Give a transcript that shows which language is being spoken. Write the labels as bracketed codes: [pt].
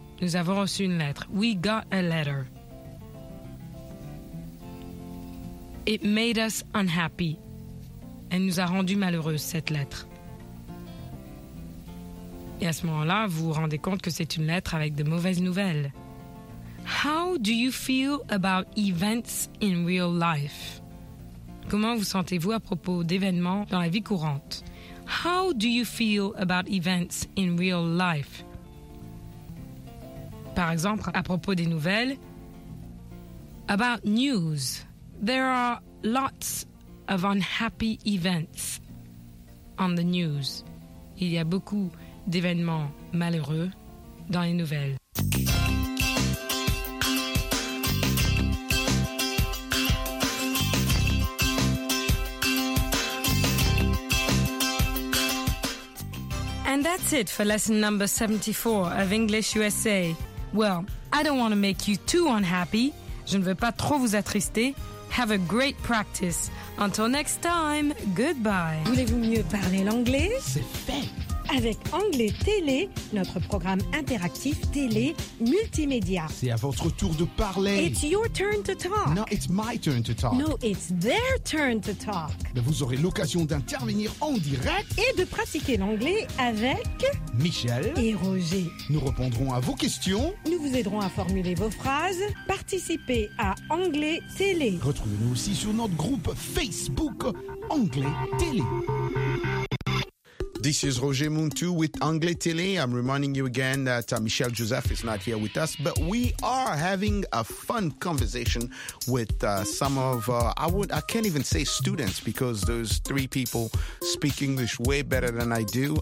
[fr] Nous avons reçu une lettre. [en] We got a letter. It made us unhappy. [fr] Elle nous a rendu malheureuse, cette lettre. Et à ce moment-là, vous vous rendez compte que c'est une lettre avec de mauvaises nouvelles. [en] How do you feel about events in real life? [fr] Comment vous sentez-vous à propos d'événements dans la vie courante? [en] How do you feel about events in real life? [fr] Par exemple, à propos des nouvelles. [en] About news, there are lots of unhappy events on the news. [fr] Il y a beaucoup d'événements malheureux dans les nouvelles. [en] And that's it for lesson number 74 of English USA. Well, I don't want to make you too unhappy. [fr] Je ne veux pas trop vous attrister. [en] Have a great practice. Until next time, goodbye. [fr] Voulez-vous mieux parler l'anglais? C'est fait! Avec Anglais Télé, notre programme interactif télé multimédia. C'est à votre tour de parler. [en] It's your turn to talk. No, it's my turn to talk. No, it's their turn to talk. [fr] Mais vous aurez l'occasion d'intervenir en direct. Et de pratiquer l'anglais avec... Michel. Et Roger. Nous répondrons à vos questions. Nous vous aiderons à formuler vos phrases. Participez à Anglais Télé. Retrouvez-nous aussi sur notre groupe Facebook Anglais Télé. [en] This is Roger Muntu with Anglais Télé. I'm reminding you again that Michel Joseph is not here with us, but we are having a fun conversation with some of, I can't even say students, because those three people speak English way better than I do.